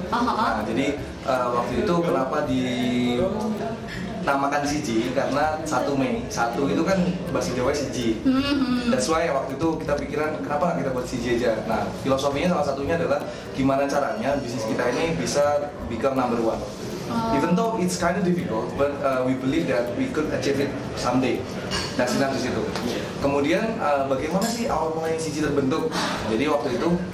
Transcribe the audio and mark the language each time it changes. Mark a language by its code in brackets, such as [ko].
[id] Nah, jadi waktu itu kenapa dinamakan CG? Karena 1 Mei, 1 itu kan bahasa Jawa CG. That's why waktu itu kita pikiran kenapa gak kita buat CG aja. Nah, filosofinya salah satunya adalah gimana caranya bisnis kita ini bisa become number one. [en] Even though it's kind of difficult, but we believe that we could achieve it someday. [id] Nah, sinar di situ. Kemudian, bagaimana sih awal mulai CG terbentuk? Jadi waktu itu,